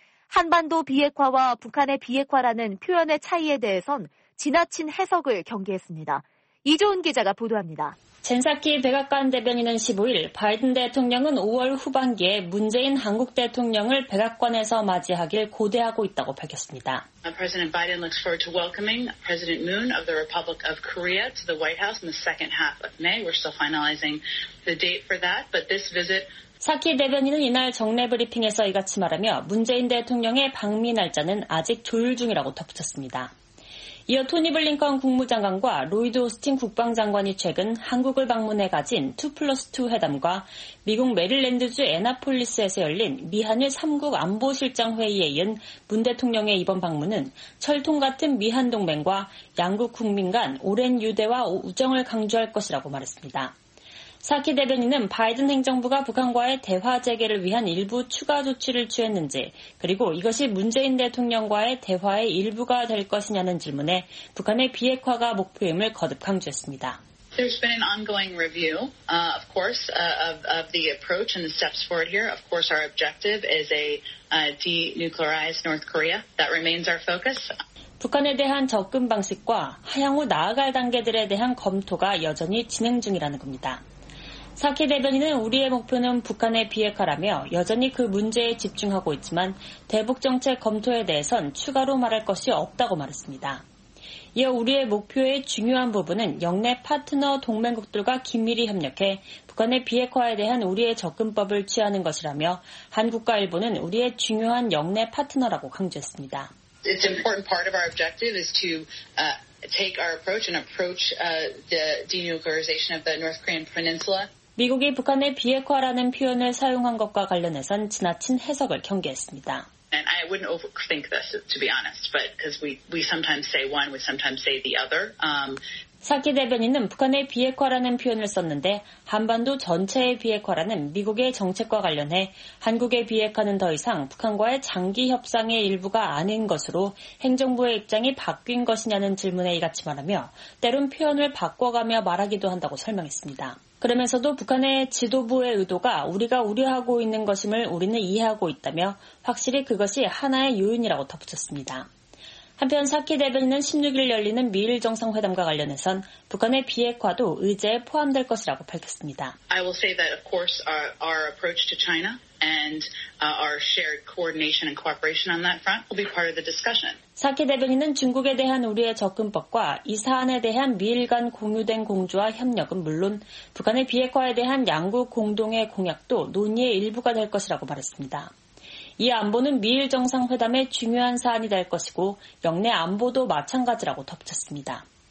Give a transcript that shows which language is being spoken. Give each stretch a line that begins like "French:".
Korean: 한반도 비핵화와 북한의 비핵화라는 표현의 차이에 대해선 지나친 해석을 경계했습니다. 이조은 기자가 보도합니다. 젠사키 백악관 대변인은 15일 바이든 대통령은 5월 후반기에 문재인 한국 대통령을 백악관에서 맞이하길 고대하고 있다고 밝혔습니다.
English: President Biden looks forward to welcoming President Moon of the Republic of Korea to the White House in the second half of May. We're still finalizing the date for that, but this visit
Korean: 사키 대변인은 이날 정례 브리핑에서 이같이 말하며 문재인 대통령의 방미 날짜는 아직 조율 중이라고 덧붙였습니다. 이어 토니 블링컨 국무장관과 로이드 오스틴 국방장관이 최근 한국을 방문해 가진 2+2 회담과 미국 메릴랜드주 애나폴리스에서 열린 미한일 3국 안보실장 회의에 이은 문 대통령의 이번 방문은 철통 같은 미한 동맹과 양국 국민 간 오랜 유대와 우정을 강조할 것이라고 말했습니다. 사키 대변인은 바이든 행정부가 북한과의 대화 재개를 위한 일부 추가 조치를 취했는지 그리고 이것이 문재인 대통령과의 대화의 일부가 될 것이냐는 질문에 북한의 비핵화가 목표임을 거듭 강조했습니다.
English: There's been an ongoing review, of course, of the approach and the steps forward here. Of course, our objective is a denuclearized North Korea. That remains our focus.
Korean: 북한에 대한 접근 방식과 향후 나아갈 단계들에 대한 검토가 여전히 진행 중이라는 겁니다. 사키 대변인은 우리의 목표는 북한의 비핵화라며 여전히 그 문제에 집중하고 있지만 대북정책 검토에 대해선 추가로 말할 것이 없다고 말했습니다. 이어 우리의 목표의 중요한 부분은 역내 파트너 동맹국들과 긴밀히 협력해 북한의 비핵화에 대한 우리의 접근법을 취하는 것이라며 한국과 일본은 우리의 중요한 역내 파트너라고 강조했습니다.
English: It's an important part of our objective is to take our approach and approach the denuclearization of the North Korean peninsula.
Korean: 미국이 북한의 비핵화라는 표현을 사용한 것과 관련해선 지나친 해석을 경계했습니다.
English: And I wouldn't overthink this to be honest, but because we sometimes say one, we sometimes say the other.
Korean: 사키 대변인은 북한의 비핵화라는 표현을 썼는데 한반도 전체의 비핵화라는 미국의 정책과 관련해 한국의 비핵화는 더 이상 북한과의 장기 협상의 일부가 아닌 것으로 행정부의 입장이 바뀐 것이냐는 질문에 이같이 말하며 때론 표현을 바꿔가며 말하기도 한다고 설명했습니다. 그러면서도 북한의 지도부의 의도가 우리가 우려하고 있는 것임을 우리는 이해하고 있다며 확실히 그것이 하나의 요인이라고 덧붙였습니다. 한편 사키 대변인은 16일 열리는 미일 정상회담과 관련해선 북한의 비핵화도 의제에 포함될 것이라고 밝혔습니다.
English: I will say that of course our approach to China and our shared coordination and cooperation on that front will be part of the discussion.
Korean: 사키 대변인은 중국에 대한 우리의 접근법과 이 사안에 대한 미일 간 공유된 공조와 협력은 물론 북한의 비핵화에 대한 양국 공동의 공약도 논의의 일부가 될 것이라고 말했습니다. 이 안보는 미일 정상회담의 중요한 사안이 될 것이고 역내 안보도 마찬가지라고 덧붙였습니다.